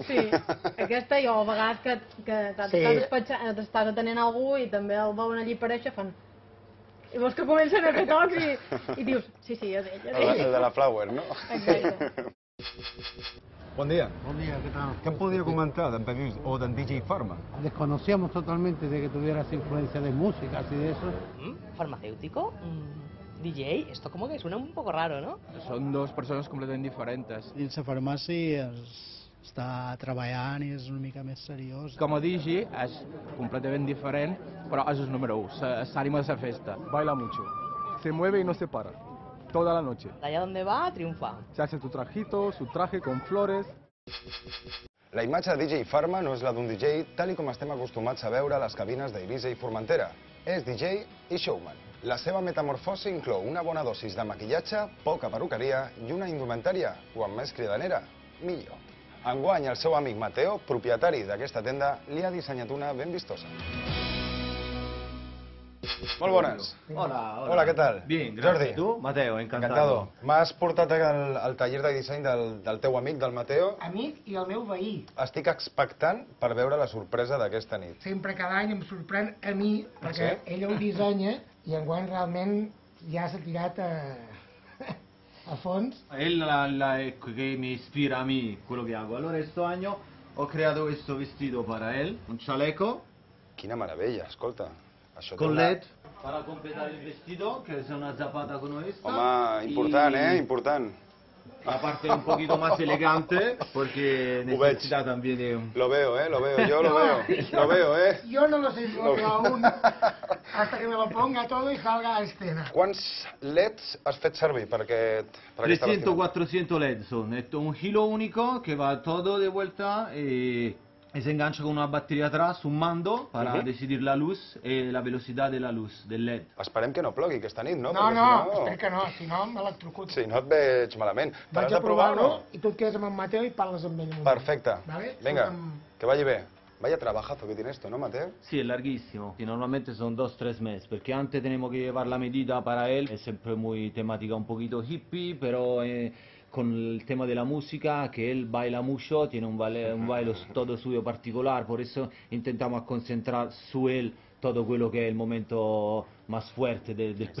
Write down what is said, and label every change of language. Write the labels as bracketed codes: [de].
[ca] Sí, aquesta, jo, a vegades que t'estàs atenent algú i també el veuen allí aparèixer, fan... I veus que comencen a fer tocs i dius, sí, és ell. El de la Flower, no? Exacte. Bon dia. Bon dia, què tal? Què em podria comentar d'en Pep Lluís o d'en DJ Pharma? [es] Desconocíamos totalmente de que tuvieras influencia de música y de eso. ¿Farmacéutico? DJ? Esto como que suena un poco raro, ¿no? Son dos personas completamente diferentes. [ca] En la farmacia està treballant i és una mica més seriós. Com a DJ és completament diferent, però és el número 1, és l'ànima de la festa. [es] Baila mucho. Se mueve y no se para. Toda la noche. Allá donde va, triunfa. Se hace tu trajito, su traje con flores. [ca] La imatge de DJ Pharma no és la d'un DJ tal com estem acostumats a veure a les cabines d'Eivissa i Formentera. És DJ i showman. La seva metamorfosi inclou una bona dosis de maquillatge, poca perruqueria i una indumentària. Quan més cridanera, millor. Enguany, el seu amic Mateo, propietari d'aquesta tenda, li ha dissenyat una ben vistosa. Molt bones. Hola, què tal? [es] Bien, gracias. ¿Tú? Mateo, encantado. [ca] M'has portat al taller de disseny del teu amic, del Mateo. Amic i el meu veí. Estic expectant per veure la sorpresa d'aquesta nit. Sempre cada any em sorprèn a mi, perquè ella ho dissenya i enguany realment ja s'ha tirat Alfons? [it] Ella che mi ispira a me quello che hago. Allora, questo anno ho creato questo vestito per él, [es] un chaleco. [it] Quina meraviglia, ascolta. [es] Con led. [it] Per completare il vestito, che è una zapata con questa. [ca] Home, important, important. [es] La parte un poquito más elegante, porque necesita también de... Lo veo, lo veo, yo lo veo, lo veo, Yo no lo sé aún, hasta que me lo ponga todo y salga a escena. ¿Cuántos LEDs [ca] has fet servir [es] para que... 300-400 LEDs son, es un hilo único que va todo de vuelta y se engancha con una batería atrás, un mando, para decidir la luz y la velocidad de la luz, del LED. [ca] Esperem que no plogui aquesta nit, no? No, perquè no, espero que no, si no m'electrocuto. Si no et veig malament. Vaig a provar-ho i tu et quedes amb en Mateo i parles amb ell. Perfecte. Vinga, que vagi bé. [es] Vaya trabajazo que tiene esto, ¿no, Mateo? Sí, es larguísimo. Y normalmente son 2-3 meses, porque antes tenemos que llevar la medida para él. Es siempre muy temática, un poquito hippie, pero... con el tema de la música, que él baila mucho, tiene un baile todo suyo particular, por eso intentamos concentrar su él todo lo que es el momento más fuerte del exacto.